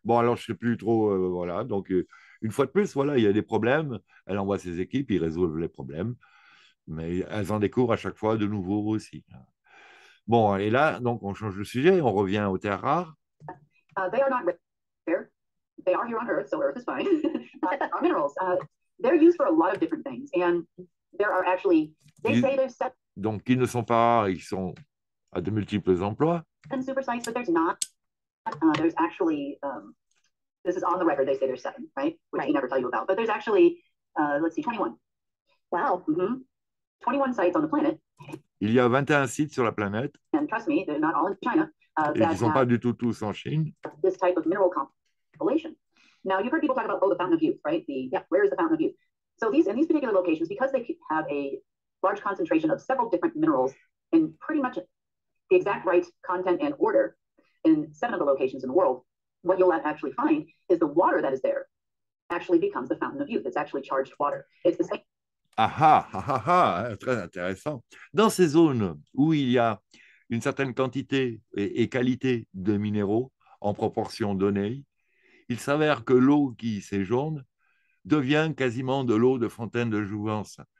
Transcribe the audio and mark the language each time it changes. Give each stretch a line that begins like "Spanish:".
French: Bon, alors, je ne sais plus trop, voilà. Donc, une fois de plus, voilà, il y a des problèmes. Elle envoie ses équipes, ils résolvent les problèmes. Mais elles en découvrent à chaque fois de nouveaux aussi. Bon, et là, donc, on change de sujet. On revient aux terres rares.
English: They are not rare. They are here on Earth, so Earth is fine. Our minerals, they're used for a lot of different things. And there are actually, say they're separate.
French: Donc, ils ne sont pas rares, ils sont à de multiples emplois.
English: And super science, but there's not. There's actually, this is on the record, they say there's seven, right? Which they never tell you about. But there's actually, let's see, 21. Wow. Mm-hmm. 21 sites on the planet.
French: Il y a 21 sites sur la planète.
English: And trust me, they're not all in China.
French: Ils ne sont pas du tout tous en Chine.
English: This type of mineral compilation. Now, you've heard people talk about, oh, the Fountain of Youth, right? The, yeah, where is the Fountain of Youth? So these, in these particular locations, because they have a large concentration of several different minerals in pretty much the exact right content and order in seven of the locations in the world, what you'll actually find is the water that is there actually becomes the Fountain of Youth. It's actually charged water. It's the same.
French: Aha, aha, aha, très intéressant. Dans ces zones où il y a une certaine quantité et qualité de minéraux en proportion donnée, il s'avère que l'eau qui séjourne devient quasiment de l'eau de fontaine de jouvence.